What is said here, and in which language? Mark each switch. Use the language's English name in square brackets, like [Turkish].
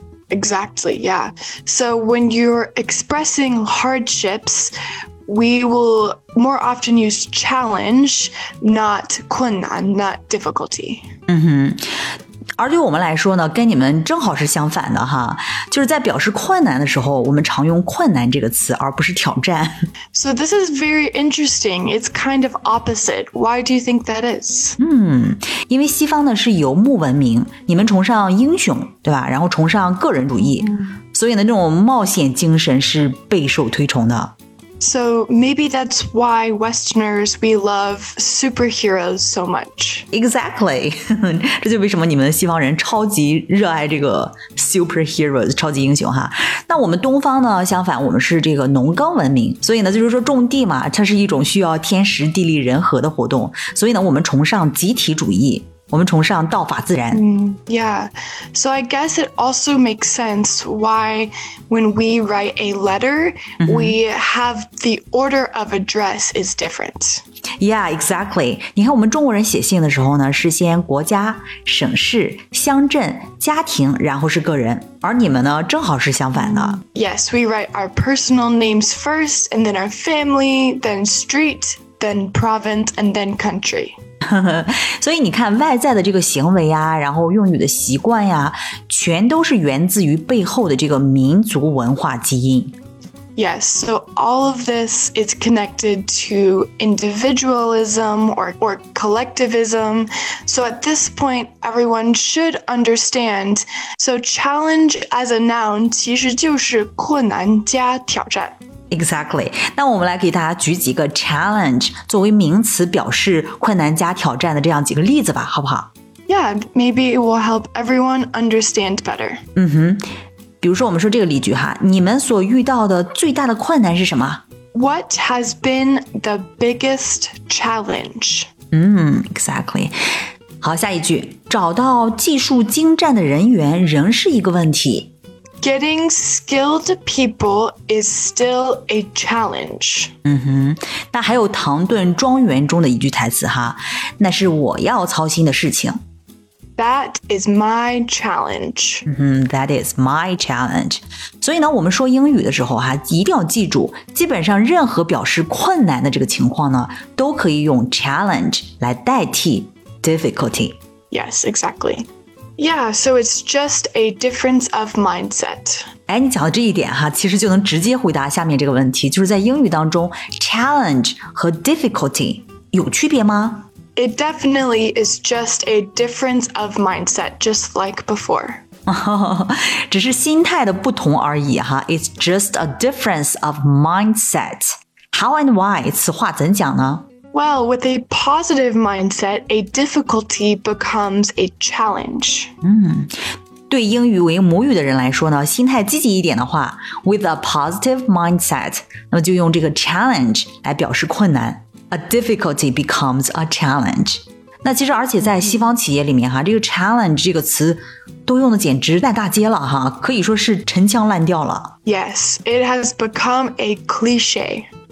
[English] Exactly, yeah. So when you're expressing hardships, we will more often use challenge, not 困难, not difficulty. [Chinese] 而对我们来说呢，跟你们正好是相反的哈，就是在表示困难的时候，我们常用困难这个词，而不是挑战。 [English] So this is very interesting. It's kind of opposite. Why do you think that is? [Chinese] 因为西方呢是游牧文明，你们崇尚英雄，对吧？然后崇尚个人主义，所以呢，这种冒险精神是备受推崇的。 [English] So maybe that's why Westerners, we love superheroes so much. Exactly. [Chinese] 这就为什么你们西方人超级热爱这个 superheroes, 超级英雄哈。那我们东方呢，相反，我们是这个农耕文明。所以呢，就是说种地嘛，它是一种需要天时地利人和的活动。所以呢，我们崇尚集体主义。我们崇尚道法自然。 [English] Yeah, so I guess it also makes sense why when we write a letter, we have the order of address is different. Yeah, exactly. [Chinese] 你看我们中国人写信的时候呢，是先国家、省市、乡镇、家庭，然后是个人。而你们呢，正好是相反的。 [English] Yes, we write our personal names first, and then our family, then street, then province, and then country. [Chinese] 所以你看外在的这个行为啊，然后用语的习惯呀，全都是源自于背后的这个民族文化基因。 [English] Yes, so all of this is connected to individualism or collectivism. So at this point, everyone should understand. So challenge as a noun [Chinese] 其实就是困难加挑战。 [English] Exactly. [Chinese] 那我们来给大家举几个 challenge 作为名词表示困难加挑战的这样几个例子吧，好不好？ [English] Yeah, maybe it will help everyone understand better. [Chinese] 嗯哼，比如说我们说这个例句哈，你们所遇到的最大的困难是什么？ [English] What has been the biggest challenge? 嗯 ，exactly. [Chinese] 好，下一句，找到技术精湛的人员仍是一个问题。 [English] Getting skilled people is still a challenge. [Chinese] 嗯哼，那还有唐顿庄园中的一句台词哈，那是我要操心的事情。 [English] That is my challenge. That is my challenge. [Chinese] 所以呢，我们说英语的时候哈，一定要记住，基本上任何表示困难的这个情况呢，都可以用 challenge 来代替 difficulty. [English] Yes, exactly. Yeah, so it's just a difference of mindset. [Chinese] 哎，你讲到这一点哈，其实就能直接回答下面这个问题，就是在英语当中 challenge 和 difficulty 有区别吗？ [English] It definitely is just a difference of mindset, just like before. [Chinese] 只是心态的不同而已哈。 [English] It's just a difference of mindset. How and why? [Chinese] 此话怎讲呢？ [English] Well, with a positive mindset, a difficulty becomes a challenge. [Chinese] 对英语为母语的人来说呢，心态积极一点的话 , [English] with a positive mindset, [Chinese] 那么就用这个 challenge 来表示困难。 [English] A difficulty becomes a challenge. [Chinese] 那其实而且在西方企业里面哈，这个 challenge 这个词都用的简直烂大街了哈，可以说是陈腔滥调了。 [English] Yes, it has become a cliche.